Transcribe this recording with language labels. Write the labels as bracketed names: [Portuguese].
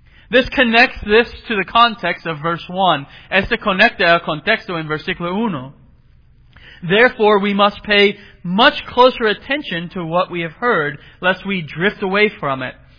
[English] This connects this to the context of verse 1. [Spanish] Este conecta el contexto en versículo 1. [English] Therefore, we must pay much closer attention to what we have heard, lest we drift away from it.